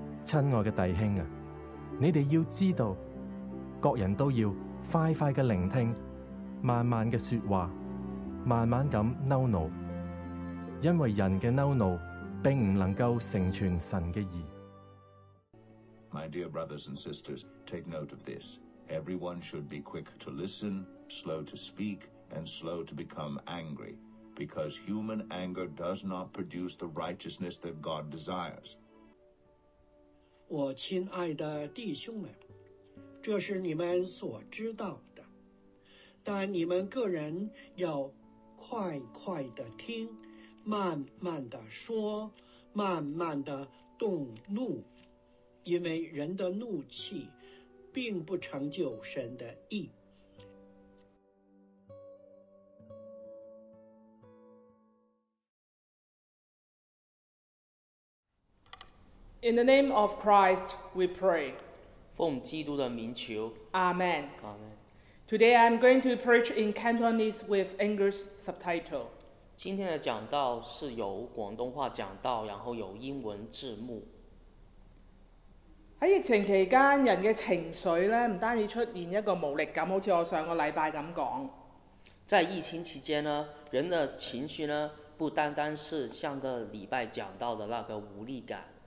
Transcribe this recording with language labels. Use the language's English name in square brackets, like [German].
[English] Dear brothers and sisters, you must know [Chinese] 各人都要快快的聆听，慢慢的说话，慢慢地恼怒，因为人的恼怒并不能够成全神的义。 [English] My dear brothers and sisters, take note of this. Everyone should be quick to listen, slow to speak, and slow to become angry, because human anger does not produce the righteousness that God desires. [Chinese] 我亲爱的弟兄们，这是你们所知道的，但你们个人要快快地听，慢慢地说，慢慢地动怒，因为人的怒气并不成就神的义。 [English] In the name of Christ, we pray. [Chinese] 奉基督的名求。 [English] Amen. Amen. Today I'm going to preach in Cantonese with English subtitle. [Chinese] 今天的讲道是由广东话讲道，然后有英文字幕。在疫情期间，人的情绪呢，不单止出现一个无力感，好像我上个礼拜这样说。在疫情期间呢，人的情绪呢，不单单是上个礼拜讲到的那个无力感，